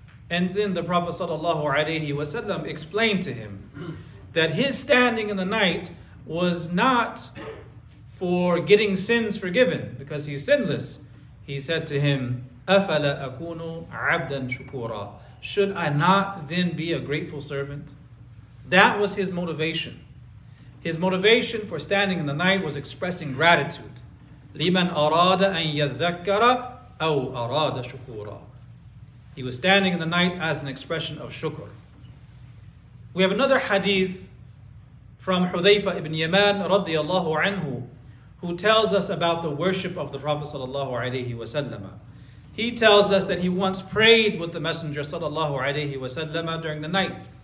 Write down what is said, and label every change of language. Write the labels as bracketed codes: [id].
[en] And then the Prophet Sallallahu Alaihi Wasallam explained to him that his standing in the night was not for getting sins forgiven, because he's sinless. He said to him, [ar] أَفَلَا أَكُونُ عَبْدًا شُكُورًا. [en] Should I not then be a grateful servant? That was his motivation. His motivation for standing in the night was expressing gratitude. [ar] لِمَنْ أَرَادَ أَنْ يَذَّكَّرَ أَوْ أَرَادَ شُكُورًا. [en] He was standing in the night as an expression of shukr. We have another hadith from Hudhayfa ibn Yaman radiyallahu anhu, who tells us about the worship of the Prophet sallallahu alayhi wa sallam. He tells us that he once prayed with the Messenger sallallahu alayhi wa sallam during the night.